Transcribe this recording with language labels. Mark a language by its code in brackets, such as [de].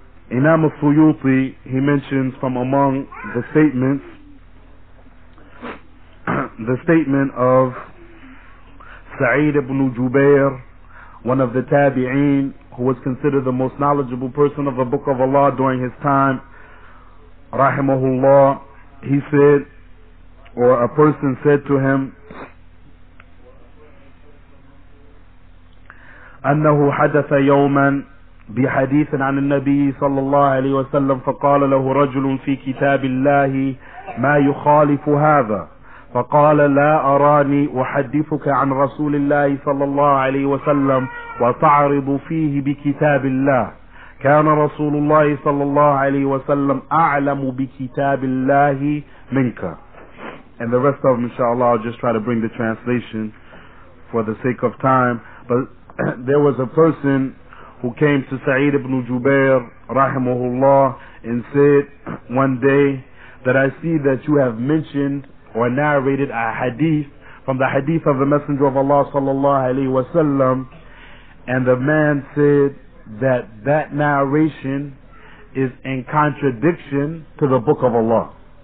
[en] Imam al-Suyuti, he mentions from among the statements the statement of Sa'id ibn Jubair, one of the Tabi'een, who was considered the most knowledgeable person of the Book of Allah during his time, rahimahullah. He said, or a person said to him, [ar] أَنَّهُ حَدَثَ يَوْمًا بِحَدِيثٍ عَنِ النَّبِيِّ صَلَّى اللَّهُ عَلَيْهِ وَسَلَّمَ فَقَالَ لَهُ رَجُلٌ فِي كِتَابِ اللَّهِ مَا يُخَالِفُ هَذَا فقال لا أراني أحدثك عن رسول الله صلى الله عليه وسلم وتعرض فيه بكتاب الله كان رسول الله صلى الله عليه وسلم أعلم بكتاب الله منك. [en] And the rest of them, inshallah, I'll just try to bring the translation for the sake of time. But there was a person who came to Sa'id ibn Jubair rahimahullah and said one day that I see that you have mentioned or narrated a hadith from the hadith of the Messenger of Allah sallallahu alayhi wa sallam, and the man said that that narration is in contradiction to the Book of Allah.